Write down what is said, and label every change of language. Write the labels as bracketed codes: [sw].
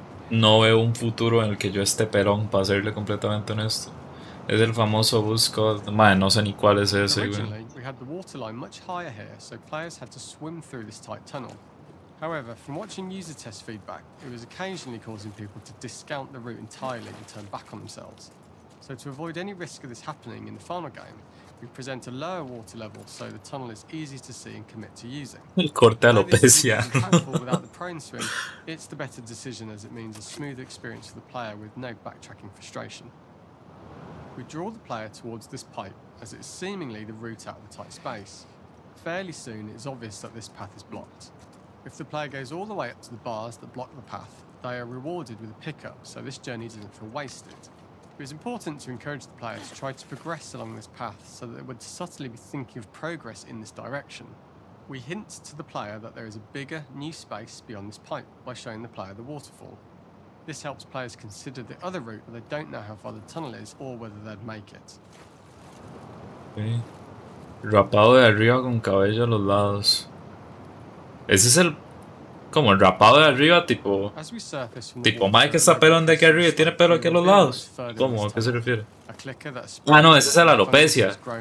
[es] No veo un futuro en el que yo esté pelón, para serle completamente honesto. Es el famoso busco, madre, no sé ni cuál es ese, güey. [en] We had the waterline much higher here, so players had to swim through this tight tunnel. However, from watching user test feedback, it was occasionally causing people to discount the route entirely and turn back on themselves. So to avoid any risk of this happening in the final game, we present a lower water level so the tunnel is easy to see and commit to using. [es] El corte alopecia. [en] Without the prone swim, it's the better decision as it means a smooth experience for the player with no backtracking frustration. We draw the player towards this pipe as it is seemingly the route out of the tight space. Fairly soon, it's obvious that this path is blocked. If the player goes all the way up to the bars that block the path, they are rewarded with a pickup so this journey doesn't feel wasted. It was important to encourage the player to try to progress along this path so that they would subtly be thinking of progress in this direction. We hint to the player that there is a bigger, new space beyond this pipe by showing the player the waterfall. This helps players consider the other route, but they don't know how far the tunnel is or whether they'd make it. Okay. [es] Rapado de arriba con cabello a los lados. Ese es el... Como el rapado de arriba, tipo... Tipo, madre, que está pelón de aquí arriba y tiene pelo aquí a los lados. ¿Cómo? ¿A qué se refiere? Ah, no, esa es la alopecia.